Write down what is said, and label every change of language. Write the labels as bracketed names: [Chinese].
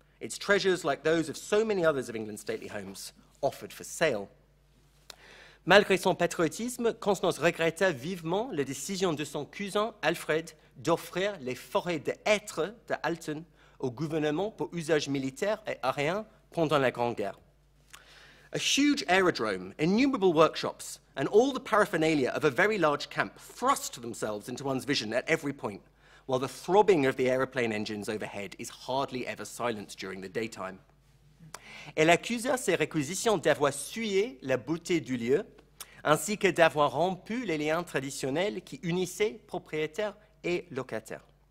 [English] Its treasures, like those of so many others of England's stately homes, offered for sale. [French] Malgré son patriotisme, Constance regretta vivement la décision de son cousin Alfred d'offrir les forêts de hêtres de Halton au gouvernement pour usage militaire et aérien pendant la Grande Guerre. [English] A huge aerodrome, innumerable workshops, and all the paraphernalia of a very large camp thrust themselves into one's vision at every point, while the throbbing of the aeroplane engines overhead is hardly ever silent during the daytime. [French] Elle accusa ses réquisitions d'avoir sué la beauté du lieu, ainsi que d'avoir rompu les liens traditionnels qui unissaient propriétaires et locataires.